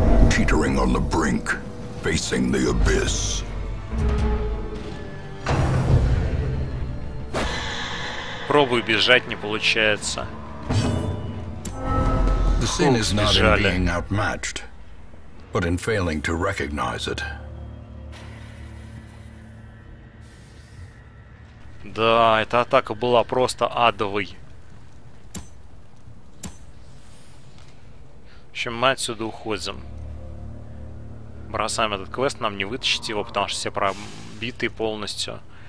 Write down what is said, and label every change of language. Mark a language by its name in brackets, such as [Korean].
[English] Teetering on the brink, facing the abyss. [Russian] Пробую бежать, не получается. [English] The sin is not in being outmatched, but in failing to recognize it. [Russian] Да, эта атака была просто адовой. В общем, мы отсюда уходим. Бросаем этот квест, нам не вытащить его, потому что все пробиты полностью.